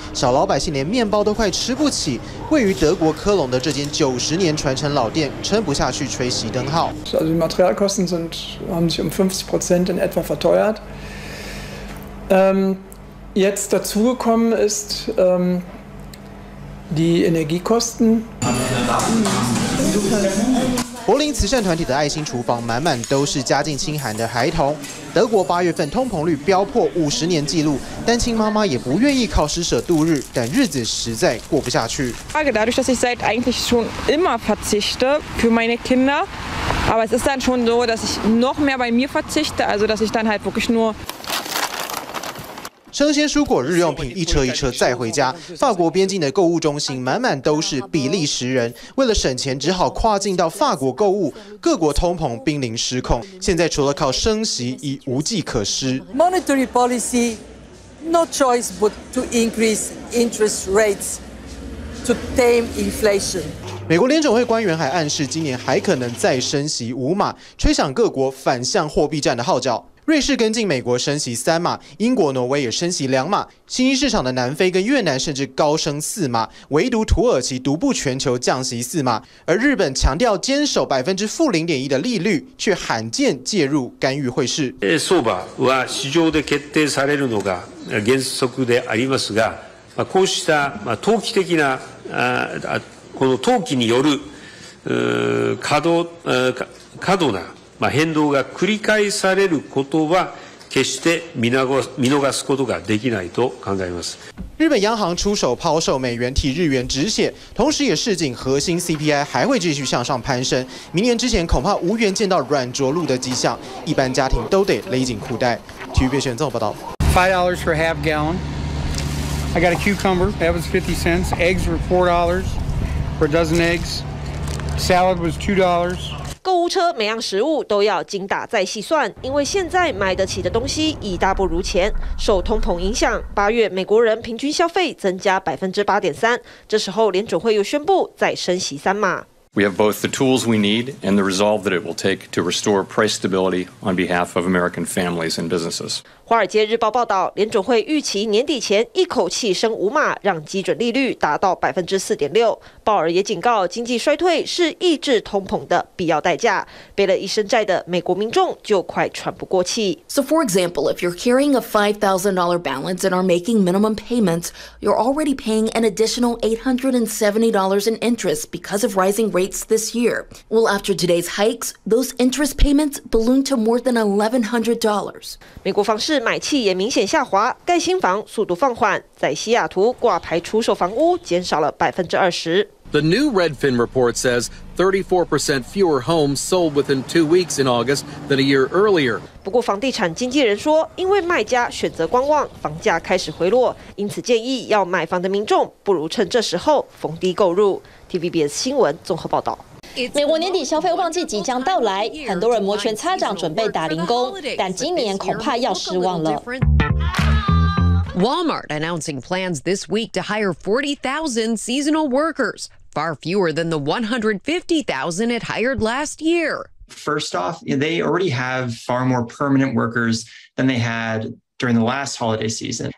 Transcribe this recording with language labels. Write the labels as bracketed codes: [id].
[zh] 小老百姓连面包都快吃不起。位于德国科隆的这间90年传承老店，撑不下去吹熄灯号。 [de] Also die Materialkosten haben sich um 50% in etwa verteuert. Jetzt dazugekommen ist die Energiekosten. [zh] 柏林慈善团体的爱心厨房，满满都是家境清寒的孩童。德国八月份通膨率飙破50年纪录，单亲妈妈也不愿意靠施舍度日，但日子实在过不下去。 [de] Dadurch, dass ich seit eigentlich schon immer verzichte für meine Kinder, aber es ist dann schon so, dass ich noch mehr bei mir verzichte, also dass ich dann halt wirklich nur [zh] 生鲜蔬果、日用品一车一车载回家。法国边境的购物中心满满都是比利时人，为了省钱只好跨境到法国购物。各国通膨濒临失控，现在除了靠升息已无计可施。 [en] Monetary policy, no choice but to increase interest rates to tame inflation. [zh] 美国联准会官员还暗示，今年还可能再升息5码，吹响各国反向货币战的号角。瑞士跟进美国升息3码，英国、挪威也升息2码，新兴市场的南非跟越南甚至高升4码，唯独土耳其独步全球降息4码。而日本强调坚守-0.1%的利率，却罕见介入干预汇市。 [ja] 相場は市場で決定されるのが原則でありますが、こうした投機的なこの投機による過度な変動が繰り返されることは決して見逃すことができないと考えます。 [zh] 日本央行出手抛售美元，替日元止血，同时也示警核心 CPI 还会继续向上攀升，明年之前恐怕无缘见到软着陆的迹象，一般家庭都得勒紧裤带。体育新闻报道。 [en] $5 for half gallon. I got a cucumber. That was 50 cents. Eggs were $4. For a dozen eggs, salad was $2. [zh] 购物车每样食物都要精打再细算，因为现在买得起的东西已大不如前。受通膨影响，八月美国人平均消费增加8.3%。这时候联准会又宣布再升息3码。 [en] We have both the tools we need and the resolve that it will take to restore price stability on behalf of American families and businesses. [zh] 华尔街日报报道，联准会预期年底前一口气升5码，让基准利率达到4.6%。鲍尔也警告，经济衰退是抑制通膨的必要代价。背了一身债的美国民众就快喘不过气。 [en] So for example, if you're carrying a $5,000 balance and are making minimum payments, you're already paying an additional $870 in interest because of rising rates this year. Well, after today's hikes, those interest payments balloon to more than $1,100. [zh] 美国房市买气也明显下滑，盖新房速度放缓，在西雅图挂牌出售房屋减少了20%。 [en] The new Redfin report says 34% fewer homes sold within 2 weeks in August than a year earlier. [zh] 不过房地产经纪人说，因为卖家选择观望，房价开始回落，因此建议要买房的民众不如趁这时候逢低购入。 TVBS 新闻综合报道。美国年底消费旺季即将到来，很多人摩拳擦掌准备打零工，但今年恐怕要失望了。 [en] Walmart announcing plans this week to hire 40,000 seasonal workers, far fewer than the 150,000 it hired last year. First off, they already have far more permanent workers than they had during the last holiday season.